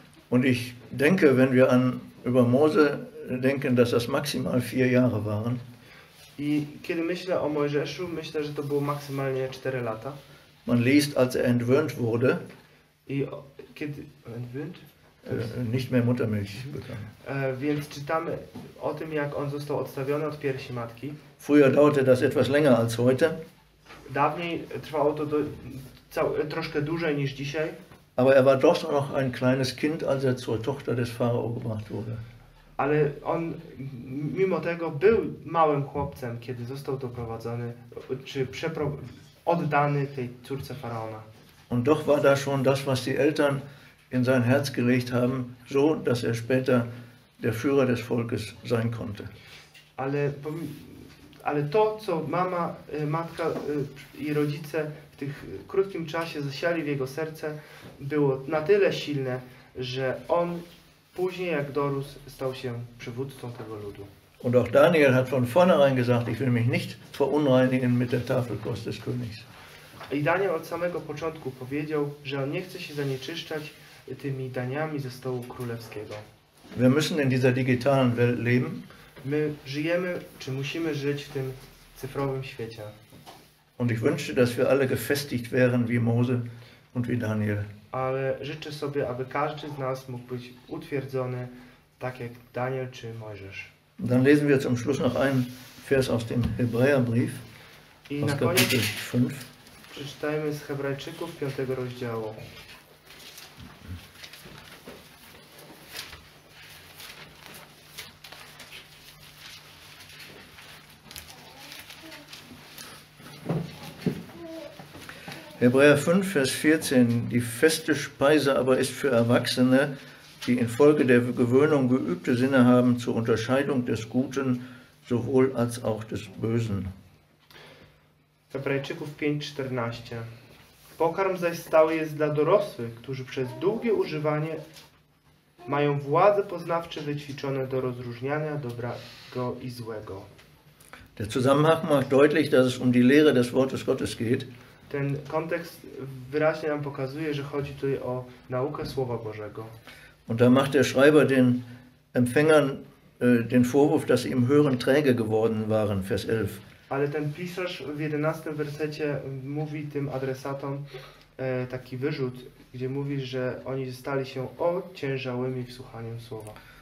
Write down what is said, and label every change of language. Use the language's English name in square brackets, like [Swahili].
[German] Und ich denke, wenn wir an über Mose denken, dass das maximal 4 Jahre waren. [Polish] I kiedy myślę o Mojżeszu, myślę, że to było maksymalnie 4 lata. [German] Man liest, als er entwöhnt wurde. [Polish] I kiedy entwöhnt? [German] Nicht mehr Muttermilch bekam. [Polish] Więc czytamy o tym, jak on został odstawiony od piersi matki. [German] Früher dauerte das etwas länger als heute. [Polish] Dawniej trwało to troszkę dłużej niż dzisiaj. [German] Aber er war doch noch ein kleines Kind, als er zur Tochter des Pharao gebracht wurde. [Polish] Ale on mimo tego był małym chłopcem, kiedy został doprowadzony, czy oddany tej córce Faraona. [German] Und doch war da schon das, was die Eltern in sein Herz gelegt haben, so dass er später der Führer des Volkes sein konnte. [Polish] Ale to, co mama, matka i rodzice w tym krótkim czasie zasiali w jego serce, było na tyle silne, że on później, jak dorósł, stał się przywódcą tego ludu. [German] Und auch Daniel hat von vornherein gesagt, ich will mich nicht verunreinigen mit der Tafelkost des Königs. [Polish] I Daniel od samego początku powiedział, że on nie chce się zanieczyszczać tymi daniami ze stołu królewskiego. [German] Wir müssen in dieser digitalen Welt leben. [Polish] My żyjemy, czy musimy żyć w tym cyfrowym świecie. [German] Und ich wünsche, dass wir alle gefestigt wären wie Mose und wie Daniel. [Polish] Ale życzę sobie, aby każdy z nas mógł być utwierdzony, tak jak Daniel czy Mojżesz. [German] Dann lesen wir zum Schluss noch einen Vers aus dem Hebräerbrief, aus Kapitel 5. [Polish] Przeczytajmy z Hebrajczyków 5 rozdziału. [German] Hebräer 5, Vers 14. Die feste Speise aber ist für Erwachsene, die infolge der Gewöhnung geübte Sinne haben zur Unterscheidung des Guten sowohl als auch des Bösen. [Polish] Hebrajczyków 5:14. Pokarm zaś stały jest dla dorosłych, którzy przez długie używanie mają władze poznawcze wyćwiczone do rozróżniania dobrego i złego. [German] Der Zusammenhang macht deutlich, dass es um die Lehre des Wortes Gottes geht. [Polish] Ten kontekst wyraźnie nam pokazuje, że chodzi tutaj o naukę Słowa Bożego. [German] Und da macht der Schreiber den Empfängern den Vorwurf, dass sie im Hören träge geworden waren, Vers 11. [Polish] Ale ten pisarz w 11 wersecie mówi tym adresatom taki wyrzut, gdzie mówi, że oni stali się ociężałymi w słuchaniu Słowa.